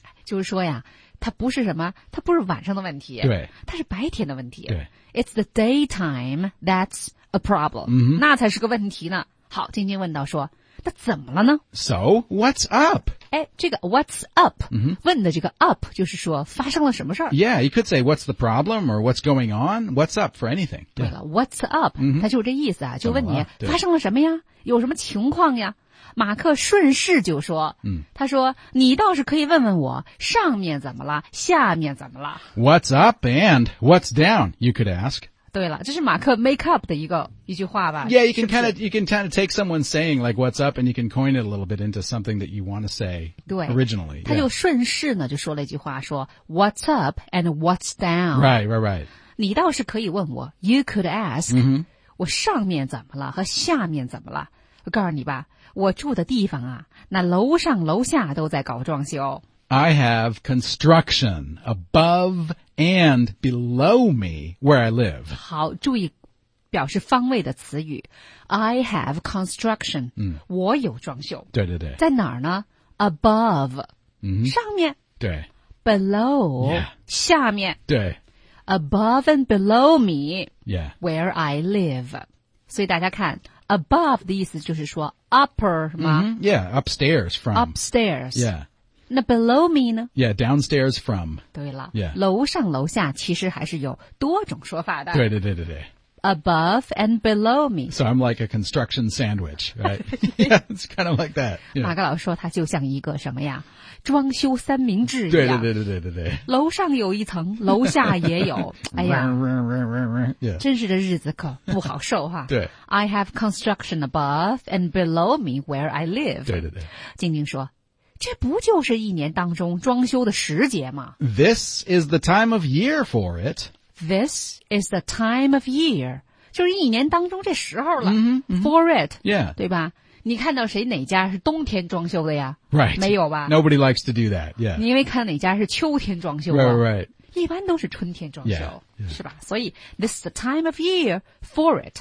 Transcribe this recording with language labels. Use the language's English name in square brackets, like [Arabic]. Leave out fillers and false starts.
[Chinese] 就是说呀它不是什么它不是晚上的问题对它是白天的问题对 [English] It's the daytime that's a problem、 mm-hmm. [Chinese] 那才是个问题呢好静静问到说那怎么了呢 [English] So what's up [Chinese] 哎，这个 what's up、 [English] mm-hmm. [Chinese] 问的这个 up 就是说发生了什么事 [English] Yeah you could say what's the problem or what's going on What's up for anything、yeah. [Chinese] 对了 what's up、 [English] mm-hmm. [Chinese] 它就这意思啊就问你发生了什么呀有什么情况呀马克顺势就说、嗯、他说你倒是可以问问我上面怎么了下面怎么了 [English] What's up and what's down, you could ask [Chinese] 对了，这是马克 make up 的一句话吧。 [English] Yeah, you can kind of, you can kind of take someone saying like what's up and you can coin it a little bit into something that you want to say originally. [Chinese] 他就顺势呢就说了一句话说 [English] what's up and what's down. Right, right, right. [Chinese] 你倒是可以问我 [English] you could ask,、 [Chinese] mm-hmm. 我上面怎么了和下面怎么了。我告诉你吧，我住的地方啊，那楼上楼下都在搞装修。 [English] I have construction above and below me where I live. [Chinese] 好，注意表示方位的词语。 [English] I have construction,、 [Chinese] 嗯、我有装修。对对对。在哪儿呢 ? [English] Above,、 [Chinese] 嗯、上面。对。 [English] Below,、 yeah. [Chinese] 下面。对。 [English] Above and below me,、 yeah. where I live. [Chinese] 所以大家看 ,above 的意思就是说 upper 吗、 [English] 嗯、Yeah, upstairs from. Upstairs. Yeah. [Chinese] 那 below me 呢 [English] ?Yeah, downstairs from. [Chinese] 对了、 [English] yeah. [Chinese] 楼上楼下其实还是有多种说法的。对对对对对。 [English] Above and below me. So I'm like a construction sandwich, right? Yeah, it's kind of like that. Yeah. [Chinese] 马克老师说他就像一个什么呀装修三明治一样。对对对对对对。楼上有一层楼下也有。哎呀、 [English] yeah. [Chinese] 真是的日子可不好受哈。对。 [English] I have construction above and below me where I live. [Chinese] 对对对。静静说这不就是一年当中装修的时节吗 [English] ?This is the time of year for it. This is the time of year. [Chinese] 就是一年当中这时候了。 [English] Mm-hmm, mm-hmm. For it. Yeah. [Chinese] 对吧你看到谁哪家是冬天装修的呀 [English] ?Right. [Chinese] 没有吧 [English] ?Nobody likes to do that. Yeah. [Chinese] 你因为看哪家是秋天装修的 [English] ?Right, right. [Chinese] 一般都是春天装修。 [English] Yeah, yeah. [Chinese] 是吧所以 , [English] this is the time of year for it.、